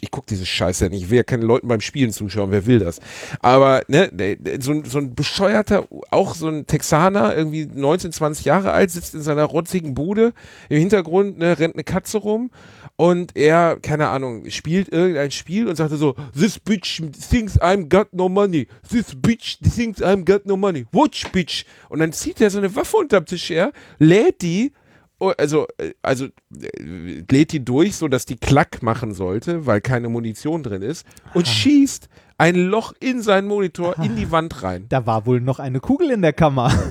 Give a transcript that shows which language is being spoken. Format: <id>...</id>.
<de>Ich gucke diese Scheiße nicht. Ich will ja keine Leuten beim Spielen zuschauen. Wer will das? Aber ne, so ein bescheuerter, auch so ein Texaner, irgendwie 19, 20 Jahre alt, sitzt in seiner rotzigen Bude. Im Hintergrund ne, rennt eine Katze rum. Und er, keine Ahnung, spielt irgendein Spiel und sagte so,</de> <en>this bitch thinks I'm got no money. This bitch thinks I'm got no money. Watch, bitch.</en> <de>Und dann zieht er so eine Waffe unterm Tisch her, lädt die, also lädt die durch, sodass die Klack machen sollte, weil keine Munition drin ist, und schießt ein Loch in seinen Monitor in die Wand rein. Da war wohl noch eine Kugel in der Kammer.</de>